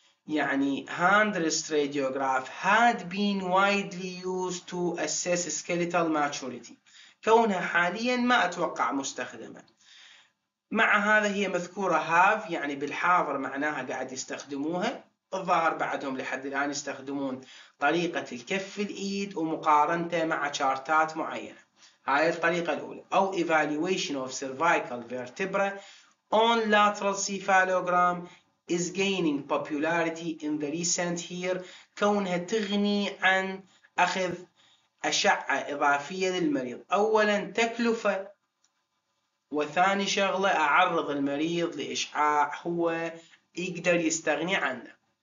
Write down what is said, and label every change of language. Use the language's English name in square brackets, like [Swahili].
[English] يعني hand wrist radiograph has been widely used to assess skeletal maturity, [Arabic] كونها حاليا ما اتوقع مستخدمه. مع هذا هي مذكوره هاف، يعني بالحاضر معناها قاعد يستخدموها. الظاهر بعدهم لحد الان يستخدمون طريقه الكف الايد ومقارنته مع شارتات معينه. هاي الطريقه الاولى، او [English] evaluation of cervical vertebra on lateral cephalogram is gaining popularity in the recent year، [Arabic] كونها تغني عن اخذ اشعه اضافيه للمريض. اولا تكلفه، وثاني شغله اعرض المريض لاشعاع هو يقدر يستغني عنه.